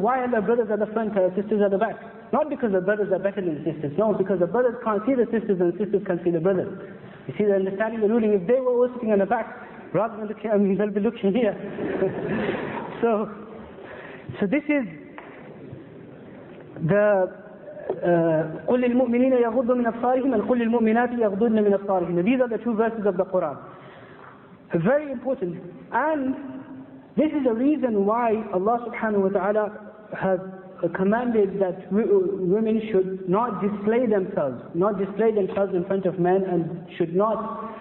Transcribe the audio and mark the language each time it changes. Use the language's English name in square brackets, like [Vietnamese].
[English] Why are the brothers at the front and the sisters at the back? Not because the brothers are better than the sisters, no, because the brothers can't see the sisters and the sisters can't see the brothers. You see the understanding, the ruling, if they were all sitting at the back, rather than looking, I mean, they'll be looking here. So this is the [Arabic] قل للمؤمنين يغضوا من أبصارهم and قل للمؤمنات يغضون من أبصارهم. [English] These are the two verses of the Quran. Very important. And this is the reason why Allah subhanahu wa ta'ala has commanded that women should not display themselves, not display themselves in front of men, and should not.